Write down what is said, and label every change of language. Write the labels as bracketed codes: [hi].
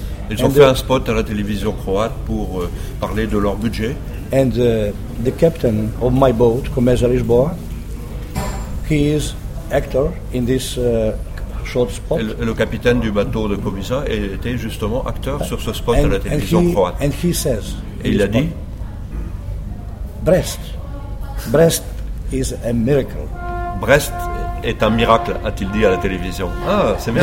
[fr] Ils ont fait un spot à la télévision croate pour parler de leur budget. [en] And the captain of my boat, Komesa Lisboa, he is actor in this short spot. [fr] Et le capitaine du bateau de Komesa était justement acteur sur ce spot à la télévision croate. [en] And he says, [fr] et il a dit, [en] Brest is a miracle. [fr] Brest est un miracle, a-t-il dit à la télévision. Ah, c'est bien.